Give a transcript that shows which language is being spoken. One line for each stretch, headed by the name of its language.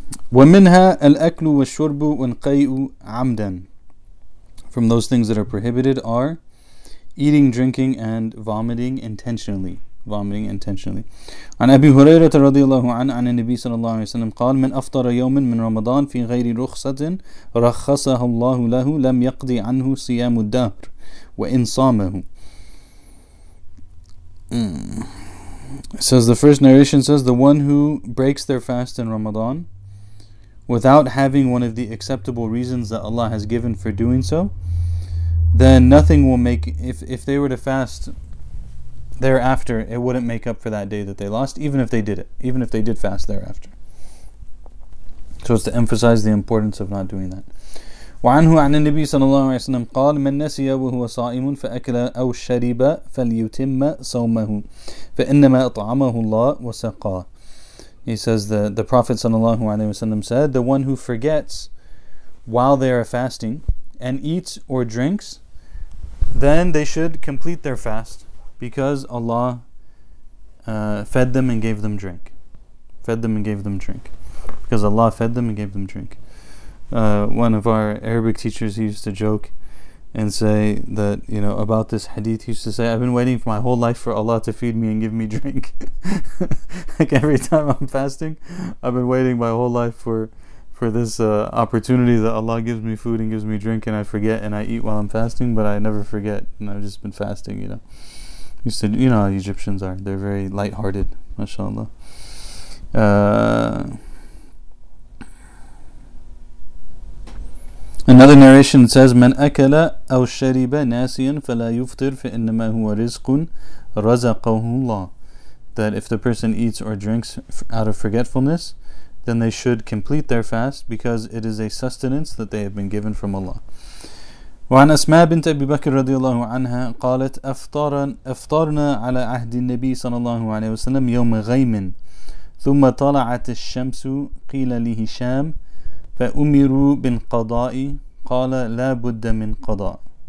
Arabic: ومنها الأكل والشرب والقيء عمدا.
English: from those things that are prohibited are eating, drinking, and vomiting intentionally. Vomiting intentionally.
Arabic: عن أبي هريرة رضي الله عنه عن النبي صلى الله عليه وسلم قال من أفطر يوما من رمضان في غير رخصة رخصه الله له لم يقضي عنه صيام الدهر وإن صامه.
English: It says, the first narration says, the one who breaks their fast in Ramadan without having one of the acceptable reasons that Allah has given for doing so, then nothing will make, if they were to fast thereafter, it wouldn't make up for that day that they lost, even if they did it, even if they did fast thereafter. So it's to emphasize the importance of not doing that.
Arabic: وعنه عن النبي صلى الله عليه وسلم قال من نسي وهو صائم فأكل أو شرب فليتم صومه فإنما أطعمه الله وسقاه.
English: He says the Prophet صلى الله عليه وسلم said, the one who forgets while they are fasting and eats or drinks, then they should complete their fast because Allah fed them and gave them drink. Fed them and gave them drink. Because Allah fed them and gave them drink. One of our Arabic teachers, he used to joke and say that, you know, about this hadith, he used to say, I've been waiting for my whole life for Allah to feed me and give me drink. Like every time I'm fasting, I've been waiting my whole life for this opportunity that Allah gives me food and gives me drink, and I forget and I eat while I'm fasting, but I never forget and I've just been fasting, you know. He said, you know how Egyptians are, they're very lighthearted, mashallah. Another narration says,
Arabic: من أكل أو شرب ناسيا فلا يفطر فإنما هو رزق رزقه الله.
English: That if the person eats or drinks out of forgetfulness, then they should complete their fast because it is a sustenance that they have been given from Allah.
Arabic: وعن أسماء بنت أبي بكر رضي الله عنها قالت أفطرنا على عهد النبي صلى الله عليه وسلم يوم غيم ثم طلعت الشمس قيل لهشام فَأُمِرُوا بِالْقَضَاءِ قَالَ لَا بُدَّ مِنْ قَضَاءِ.